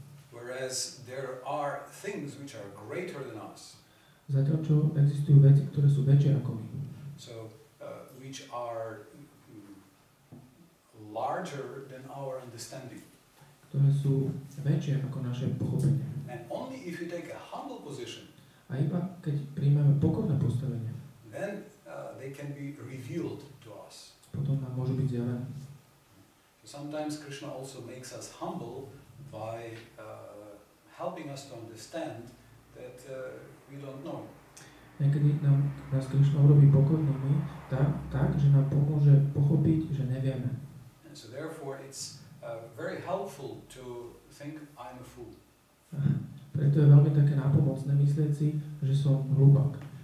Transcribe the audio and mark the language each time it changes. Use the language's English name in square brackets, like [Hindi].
[English] Whereas there are things which are greater than us. [Slovak] Zatiaľ čo existujú veci, ktoré sú väčšie ako my. [English] So which are larger than our understanding. [Slovak] Ktoré sú väčšie ako naše pochopenie. [English] And only if you take a humble position. [Slovak] A iba keď prijmeme pokorné postavenie. [English] Then they can be revealed to us. [Slovak] Potom nám môžu byť zjavené. [English] Sometimes Krishna also makes us humble by helping us to understand that we don't know. [Slovak] Niekedy nás Krišna urobí pokornými tak, že nám pomôže pochopiť, že nevieme. [English] And so therefore it's very helpful to think I'm a fool. [Slovak] Preto je veľmi také nápomocné myslieť si, že som hlúpak.